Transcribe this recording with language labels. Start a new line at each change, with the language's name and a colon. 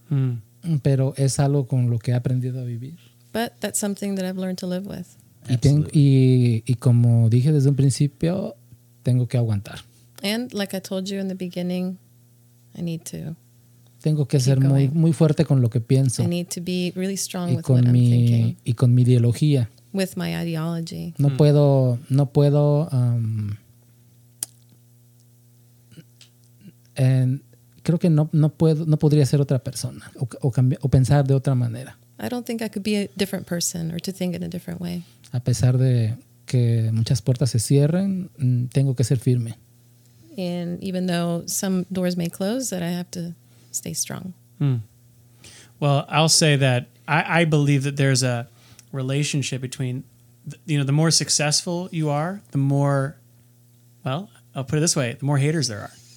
Spanish: Mm. Pero es algo con lo que he aprendido a vivir.
English: But that's something that I've learned to live with.
Spanish: Y como dije desde un principio, tengo que aguantar.
English: And like I told you in the beginning, I need to
Spanish: Tengo que ser muy, muy fuerte con lo que pienso.
English: I need to be really strong with what I'm thinking.
Spanish: Y con mi ideología.
English: With my ideology.
Spanish: No puedo, no puedo, creo que no podría ser otra persona o pensar de otra manera.
English: I don't think I could be a different person or to think in a different way.
Spanish: A pesar de que muchas puertas se cierren, tengo que ser firme.
English: And even though some doors may close, that I have to stay strong. Hmm. Well, I'll say that I believe that there's a relationship between, you know, the more successful you are, the more, well, I'll put it this way, the more haters there are.